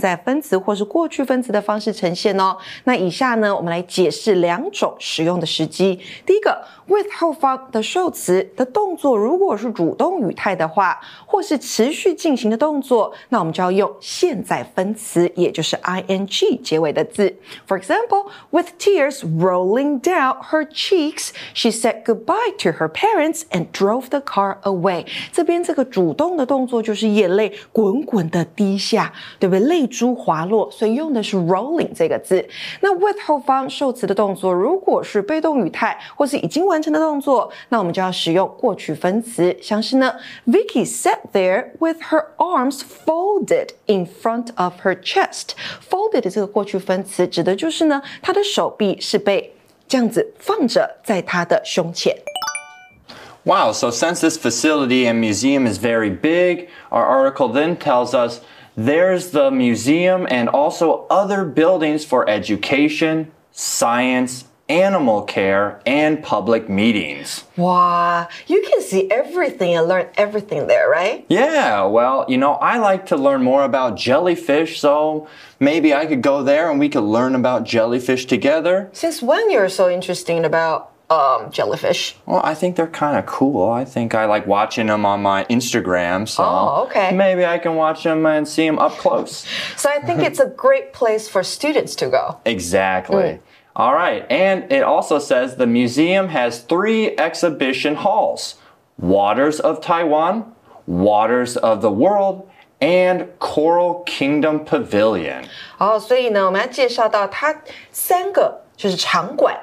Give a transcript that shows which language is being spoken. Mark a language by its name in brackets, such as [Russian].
[Chinese] 在分词或是过去分词的方式呈现哦。那以下呢，我们来解释两种使用的时机。第一个 ，with 后方的受词的动作如果是主动语态的话，或是持续进行的动作，那我们就要用现在分词，也就是 ing 结尾的字。 [English] For example, with tears rolling down her cheeks, she said goodbye to her parents and drove the car away. [Chinese] 这边这个主动的动作就是眼泪滚滚的滴下，对不对？泪珠滑落，所以用的是 rolling 这个字。那 with 后方受词的动作如果是被动语态或是已经完成的动作，那我们就要使用过去分词，像是呢 [English] Vicky sat there with her arms folded in front of her chest. [Chinese] Folded 这个过去分词指的就是呢她的手臂是被这样子放着在她的胸前。 [English] Wow, so since this facility and museum is very big, our article then tells us there's the museum and also other buildings for education, science, animal care, and public meetings. Wow, you can see everything and learn everything there, right? Yeah, well, you know, I like to learn more about jellyfish, so maybe I could go there and we could learn about jellyfish together. Since when you're so interested aboutjellyfish. Well, I think they're kind of cool. I think I like watching them on my Instagram, so maybe I can watch them and see them up close. So I think it's a great place for students to go. Exactly. All right. And it also says the museum has three exhibition halls, Waters of Taiwan, Waters of the World,and Coral Kingdom Pavilion. [Chinese] 所以呢，我们要介绍到它三个就是场馆。